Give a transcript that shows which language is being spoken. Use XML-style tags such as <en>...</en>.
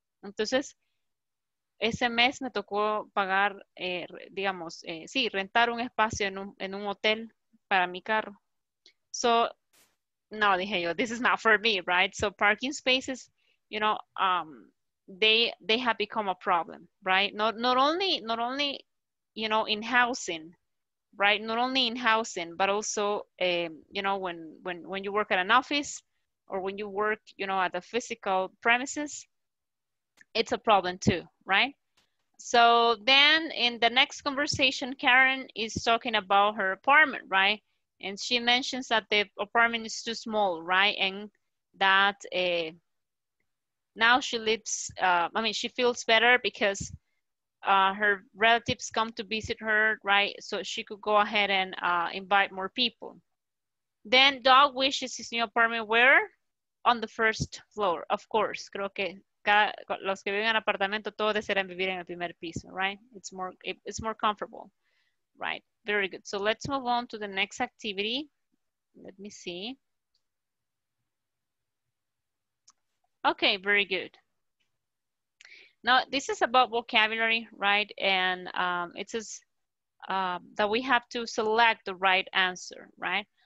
<es>Entonces, ese mes me tocó pagar, rentar un espacio en un hotel para mi carro.</es> <en>So, no,</en> <es>dije yo,</es> <en>this is not for me, right? So parking spaces, you know, they have become a problem, right? Not only, you know, in housing, right? Not only in housing, but also, you know, when you work at an office or when you work, you know, at the physical premises, it's a problem too, right? So then in the next conversation, Karen is talking about her apartment, right? And she mentions that the apartment is too small, right? And that now she lives, I mean, she feels better because her relatives come to visit her, right? So she could go ahead and invite more people. Then Doug wishes his new apartment where? On the first floor, of course.</en> <es>Creo que los que viven en apartamento todos desean vivir en el primer piso, right?</es> <en>It's more comfortable, right? Very good. So let's move on to the next activity. Let me see. Okay, very good. Now, this is about vocabulary, right? And it says that we have to select the right answer, right?</en>